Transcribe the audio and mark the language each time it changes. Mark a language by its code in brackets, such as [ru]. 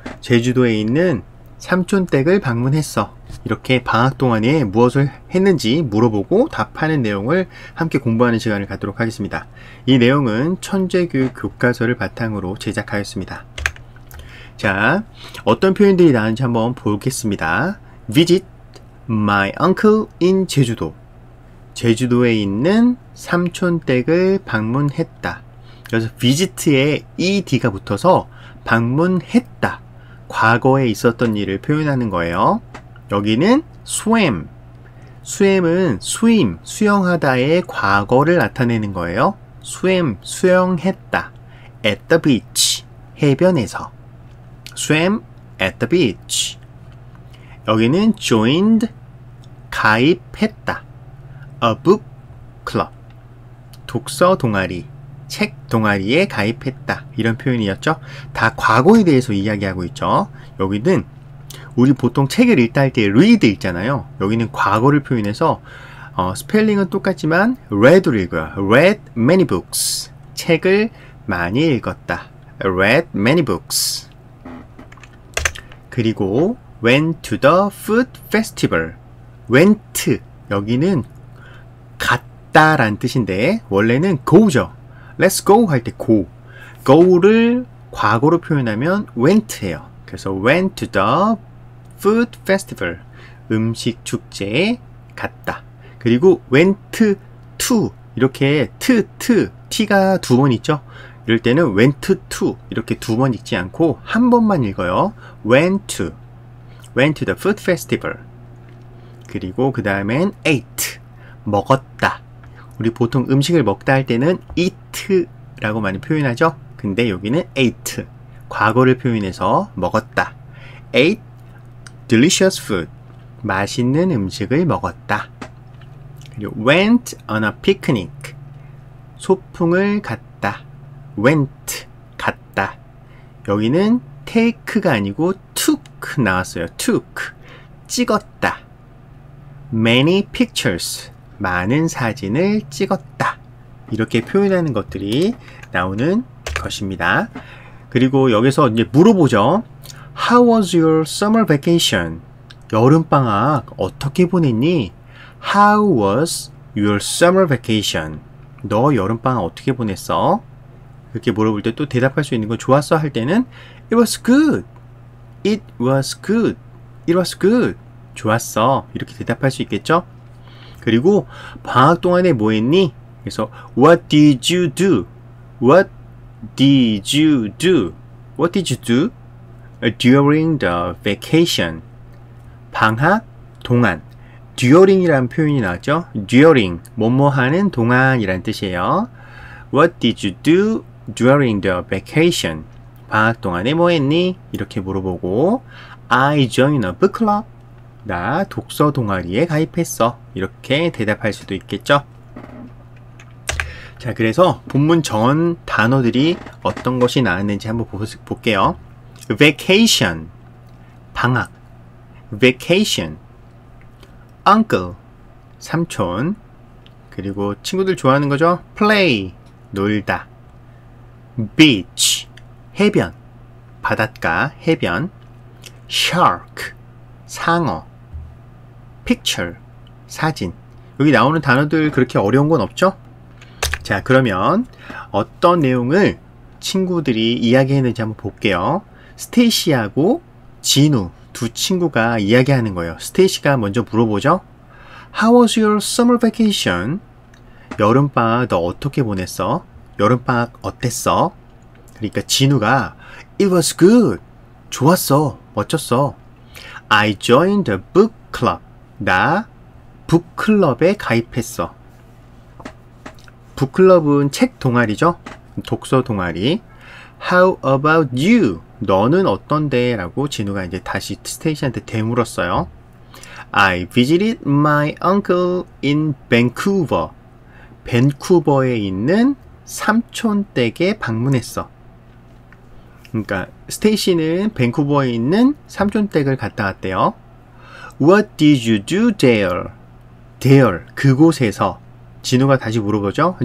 [ko] 제주도에 있는 삼촌 댁을 방문했어. 이렇게 방학 동안에 무엇을 했는지 물어보고 답하는 내용을 함께 공부하는 시간을 갖도록 하겠습니다. 이 내용은 천재교육 교과서를 바탕으로 제작하였습니다. 자, 어떤 표현들이 나왔는지 한번 보겠습니다. [en] Visit my uncle in 제주도. [ko] 제주도에 있는 삼촌 댁을 방문했다. 그래서 visit에 ed가 붙어서 방문했다. 과거에 있었던 일을 표현하는 거예요. 여기는 swim. swim은 swim, 수영하다의 과거를 나타내는 거예요. swim, 수영했다. [en] at the beach, 해변에서. swim at the beach. [ko] 여기는 joined, 가입했다. a book club, 독서 동아리, 책 동아리에 가입했다. 이런 표현이었죠. 다 과거에 대해서 이야기하고 있죠. 여기는 우리 보통 책을 읽다 할 때 read 읽잖아요. 여기는 과거를 표현해서 스펠링은 똑같지만 read로 읽어요. [en] read many books. [ko] 책을 많이 읽었다. [en] read many books. 그리고 went to the food festival. [ko] went 여기는 갔다 라는 뜻인데 원래는 go죠. [en] let's go [ko] 할 때 [en] go. [ko] go를 과거로 표현하면 went예요. [en] 그래서 went to the food festival. [ko] 음식 축제에 갔다. 그리고 went to 이렇게 t가 두 번 있죠. 이럴 때는 went to 이렇게 두 번 읽지 않고 한 번만 읽어요. [en] went to the food festival. [ko] 그리고 그 다음엔 ate, 먹었다. 우리 보통 음식을 먹다 할 때는 eat라고 많이 표현하죠. 근데 여기는 ate, 과거를 표현해서 먹었다. [en] ate delicious food, [ko] 맛있는 음식을 먹었다. [en] 그리고 went on a picnic, [ko] 소풍을 갔다. went, 갔다. 여기는 take가 아니고 took 나왔어요. took, 찍었다. [en] many pictures, [ko] 많은 사진을 찍었다. 이렇게 표현하는 것들이 나오는 것입니다. 그리고 여기서 이제 물어보죠. [en] How was your summer vacation? [ko] 여름방학 어떻게 보냈니? [en] How was your summer vacation? [ko] 너 여름방학 어떻게 보냈어? 이렇게 물어볼 때 또 대답할 수 있는 거 좋았어 할 때는 [en] It was good. It was good. It was good. 좋았어. [ko] 이렇게 대답할 수 있겠죠? 그리고 방학 동안에 뭐 했니? [en] 그래서 What did you do? What did you do? What did you do? During the vacation. [ko] 방학 동안. During이라는 표현이 나왔죠? [en] During. [ko] 뭐뭐 하는 동안이라는 뜻이에요. [en] What did you do during the vacation? [ko] 방학 동안에 뭐 했니? 이렇게 물어보고 [en] I joined a book club. [ko] 나 독서 동아리에 가입했어. 이렇게 대답할 수도 있겠죠. 자, 그래서 본문 전 단어들이 어떤 것이 나왔는지 한번 볼게요. vacation, 방학. [en] vacation, uncle, 삼촌. [ko] 그리고 친구들 좋아하는 거죠. play, 놀다. beach, 해변, 바닷가, 해변. shark, 상어. picture, 사진. 여기 나오는 단어들 그렇게 어려운 건 없죠? 자, 그러면 어떤 내용을 친구들이 이야기했는지 한번 볼게요. 스테이시하고 진우 두 친구가 이야기하는 거예요. 스테이시가 먼저 물어보죠. [en] How was your summer vacation? [ko] 여름방학 너 어떻게 보냈어? 여름방학 어땠어? 그러니까 진우가 It was good. 좋았어. 멋졌어. [en] I joined a book club. [ko] 나 북클럽에 가입했어. 북클럽은 책 동아리죠? 독서 동아리. [en] How about you? [ko] 너는 어떤데? 라고 진우가 이제 다시 스테이시한테 되물었어요. [en] I visited my uncle in Vancouver. [ko] 밴쿠버에 있는 삼촌 댁에 방문했어. 그러니까 스테이시는 밴쿠버에 있는 삼촌 댁을 갔다 왔대요. [en] What did you do there? There, 그곳에서. [ko] 진우가 다시 물어보죠.